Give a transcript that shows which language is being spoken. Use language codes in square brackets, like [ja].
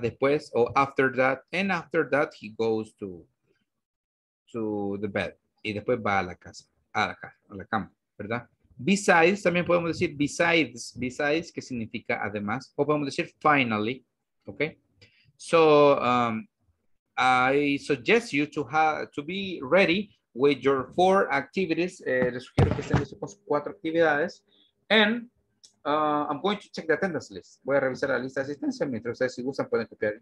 [es] Después, o [en] after that, and after that he goes to the bed. [es] Y después va a la casa, a la cama. ¿Verdad? Besides, también podemos decir besides, que significa además, o podemos decir finally, okay? [en] So, I suggest you to be ready with your four activities. [es] Les sugiero que estén listos con sus cuatro actividades. [en] And I'm going to check the attendance list. [es] Voy a revisar la lista de asistencia mientras ustedes, si gustan, pueden copiar.